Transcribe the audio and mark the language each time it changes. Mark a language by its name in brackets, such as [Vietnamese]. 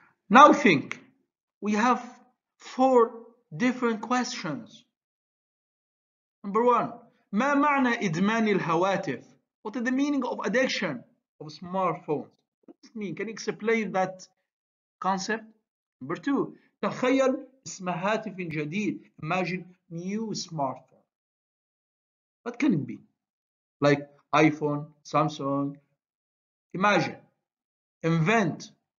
[English] Now think, we have four different questions. Number one, [Arabic] ما معنى إدمان الهواتف? [English] What is the meaning of addiction of smartphones? What does it mean? Can you explain that concept? Number two, [Arabic] تخيل اسم هاتف جديد. [English] Imagine new smartphone. What can it be? Like iPhone, Samsung. Imagine, invent.